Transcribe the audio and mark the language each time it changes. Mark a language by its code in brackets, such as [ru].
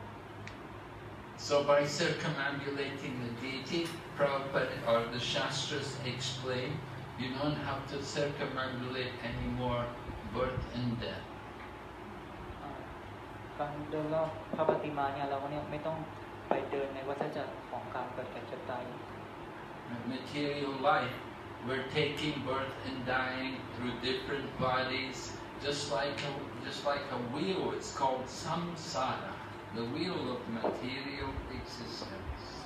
[en] So by circumambulating the deity, Prabhupada or the Shastras explain, you don't have to circumambulate any more birth and death [th] การเดินรอบพระปฏิมาเนี่ยเราเนี่ยไม่ต้องไปเดินในวัฏจักรของการเกิดแก่เจ็บตาย [en] Material life we're taking birth and dying through different bodies just like a wheel it's called samsara the wheel of material existence